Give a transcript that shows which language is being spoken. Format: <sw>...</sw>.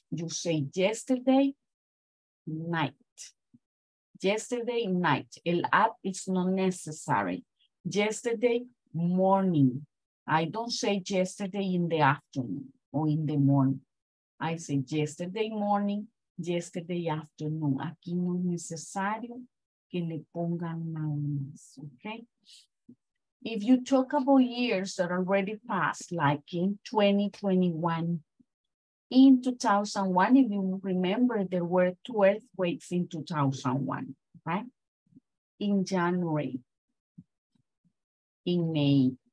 <en>You say yesterday night. Yesterday night. El at is not necessary. yesterday morning. I don't say yesterday in the afternoon or in the morning. I say yesterday morning, yesterday afternoon.</en> <es>Aquí no es necesario que le pongan más, okay?</es> <en>If you talk about years that already passed, like in 2021, in 2001, if you remember, there were two earthquakes in 2001, right? In January, in May.</en>